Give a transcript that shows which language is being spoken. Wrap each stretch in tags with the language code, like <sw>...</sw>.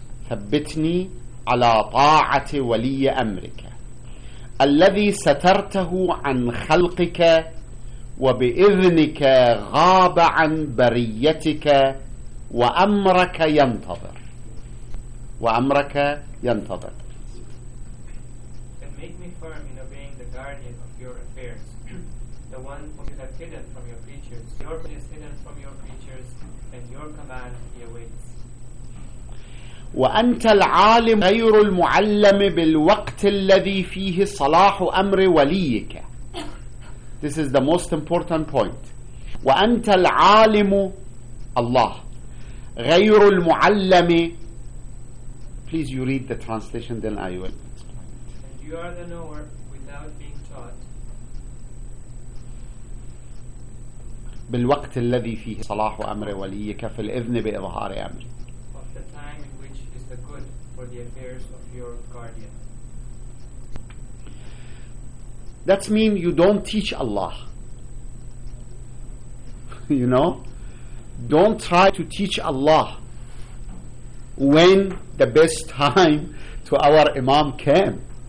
<ar>ثبتني على طاعة ولي أمرك الذي سترته عن خلقك وبإذنك غاب عن بريتك وأمرك ينتظر. وأمرك ينتظر.</ar> <en>And make me firm in obeying the guardian of your affairs, the one whom you have hidden from your creatures. Your place is hidden from your creatures, and your command he awaits.</en> <ar>وأنت العالم غير المعلم بالوقت الذي فيه صلاح أمر وليك.</ar> <en>This is the most important point.</en> <ar>وأنت العالم الله غير المعلم.</ar> <en>Please you read the translation, then I will explain. And you are the knower without being taught.</en> <ar>بالوقت الذي فيه صلاح أمر وليك في الإذن بإظهار أمر.</ar> <en>Of the time in which is the good for the affairs of your guardian. That means you don't teach Allah. You know? Don't try to teach Allah when the best time to our Imam came.</en>